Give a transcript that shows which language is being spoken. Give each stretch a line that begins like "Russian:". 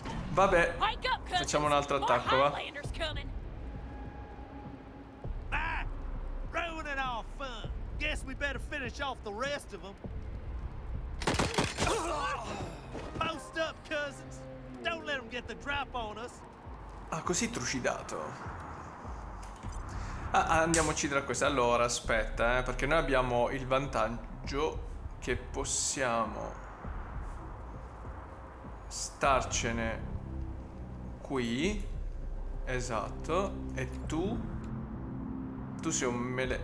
Italian: Vabbè, facciamo un altro attacco, va.
English: Ruining our fun. Guess we better finish off the rest of them. Post up, cousins. Don't let them get the drop on us.
Italian: Ah, così trucidato. Ah, andiamo a uccidere questa. Allora, aspetta, perché noi abbiamo il vantaggio che possiamo starcene qui. Esatto. E tu sei un melee.